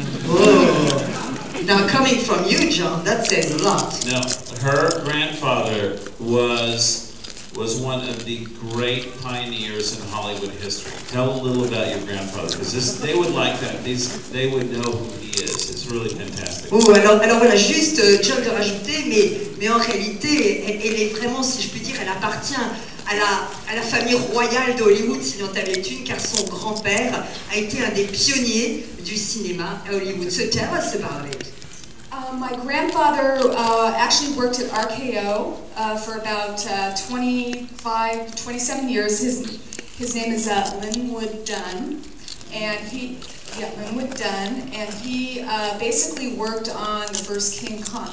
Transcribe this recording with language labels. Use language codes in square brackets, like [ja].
[en] Oh, now coming from you, John, that says a lot. No, her grandfather was one of the great pioneers in Hollywood history. Tell a little about your grandfather, because they would like that. They would know who he is. It's really fantastic. [fr] Oh, alors voilà, juste, tu as de rajouter, mais en réalité, elle est vraiment, si je puis dire, elle appartient à la famille royale d'Hollywood, s'il en avait une, car son grand-père a été un des pionniers du cinéma à Hollywood. [en] So tell us about it. My grandfather actually worked at RKO for about 25, 27 years. His name is Linwood Dunn, and Linwood Dunn, and he basically worked on the first King Kong.